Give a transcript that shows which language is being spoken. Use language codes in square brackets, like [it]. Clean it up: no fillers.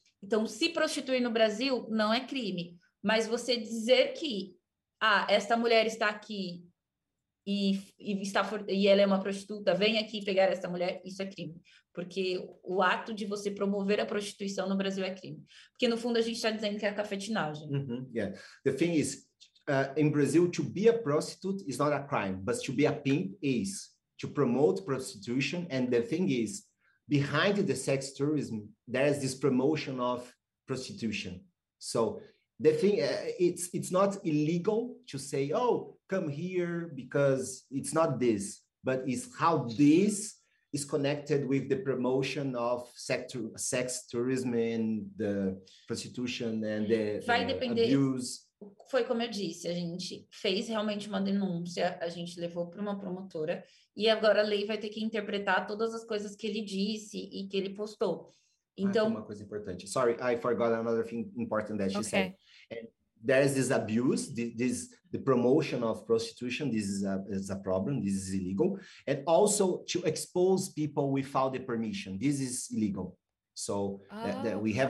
[pt] Então, se prostituir no Brasil não é crime, mas você dizer que esta mulher está aqui e ela é uma prostituta, vem aqui pegar essa mulher, isso é crime. Porque o ato de você promover a prostituição no Brasil é crime. Porque, no fundo, a gente está dizendo que é cafetinagem. Uh-huh. Yeah. [en] The thing is, in Brazil, to be a prostitute is not a crime, but to be a pimp is, to promote prostitution. And the thing is, behind the sex tourism, there is this promotion of prostitution. So the thing, it's not illegal to say, oh, come here, because it's not this, but it's how this is connected with the promotion of sex tourism and the prostitution and the abuse. [pt] Foi como eu disse, a gente fez realmente uma denúncia, a gente levou para uma promotora e agora a lei vai ter que interpretar todas as coisas que ele disse e que ele postou. Então, uma coisa importante. [en] Sorry, I forgot another thing important that she said. There is this abuse, the promotion of prostitution, this is a problem, this is illegal. And also to expose people without the permission, this is illegal. So that we have